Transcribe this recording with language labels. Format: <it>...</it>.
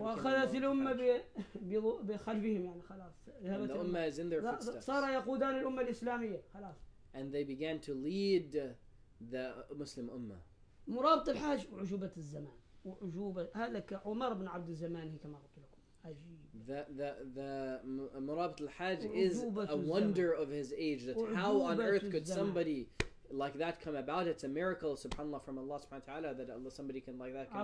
<ar>وخلت الأمة بخلفهم يعني خلاص</ar> <en>and the أمة is in their footsteps.</en> <ar>صار يقودان الأمة الإسلامية خلاص</ar> <en>and they began to lead the Muslim أمة.</en> <ar>مرابط الحاج وعجوبة الزمان وعجوبة هذا كعمر بن عبد الزمان كما قلت لكم عجيب.</ar> <en>The مرابط الحاج is a wonder of his age, that how on earth could somebody like that come about. It's a miracle, subhanAllah, from Allah subhanahu wa ta'ala, that Allah, somebody can like that come</en>